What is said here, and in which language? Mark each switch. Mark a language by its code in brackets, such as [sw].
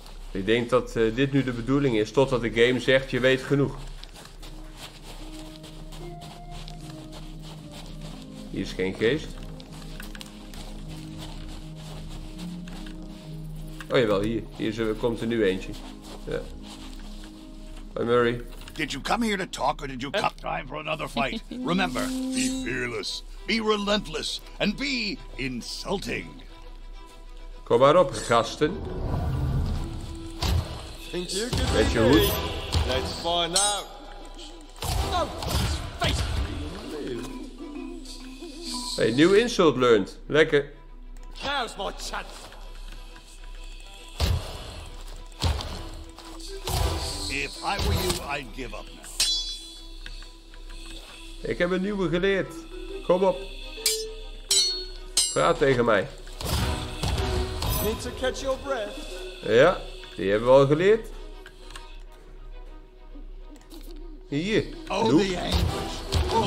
[nl] Ik denk dat dit nu de bedoeling is, totdat de game zegt, je weet genoeg. Hier is geen geest. Oh jawel, hier komt er nu eentje. Ja. Hi Murray. [en] Did you come here to talk or did you come time for another fight? Remember, be fearless, be relentless and be insulting. [nl] Kom maar op, gasten. Met je hoed. [en] Let's find out. No, face. [nl] Hey, nieuw insult learned. Lekker. [en] Now's my chance. If I were you, I'd give up now. [nl] Ik heb een nieuwe geleerd. Kom op. Praat tegen mij. [en] Need to catch your breath. [nl] Ja, die hebben we al geleerd. Hier. Oh, [en] Noob. The anguish. Oh,